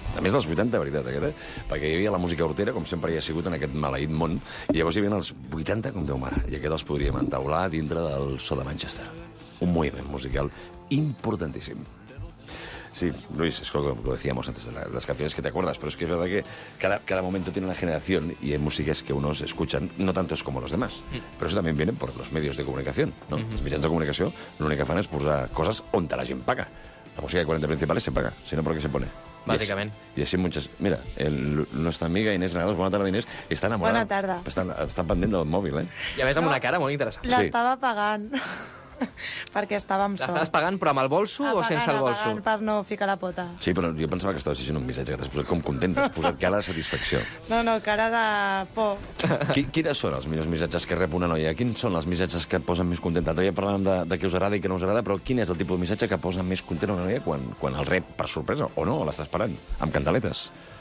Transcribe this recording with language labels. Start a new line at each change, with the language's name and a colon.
Catalan: A més dels 80, veritat, aquest, eh? Perquè hi havia la música hortera, com sempre hi ha sigut en aquest maleït món, i llavors hi havia els 80, com Déu mare, i aquest els podríem entaular dintre del so de Manchester. Un moviment musical importantíssim.
Spanish: Sí, Luis, es como lo decíamos antes, las canciones que te acuerdas, pero es que es verdad que cada momento tiene una generación y hay músicas que unos escuchan, no tantos como los demás, pero eso también viene por los medios de comunicación, ¿no? Uh-huh. Los medios de comunicación, lo único que hacen es posar cosas donde la gente paga. La música de 40 principales se paga, sino porque se pone. Básicamente. Y así muchas... Mira, nuestra amiga Inés Granados, buena tarde, Inés, está enamorada. Buena tarde. Está pendiendo el móvil, ¿eh? Ya ves, con una cara muy interesante. La estaba pagando.
Catalan: Perquè estàvem sols. L'estaves pagant, però amb el bolso apagant, o sense el bolso? Apagant, per no ficar la pota. Sí, però jo pensava que estaves fent un missatge, que t'has posat com contenta, has posat cara de satisfacció. No, no, cara de por. Quines són els millors missatges que rep una noia? Quins són els missatges que et posen més contenta? Ja parlàvem de què us agrada i què no us agrada, però quin és el tipus de missatge que posa més contenta una noia quan el rep per sorpresa, o no, o l'estàs parant, amb candeletes?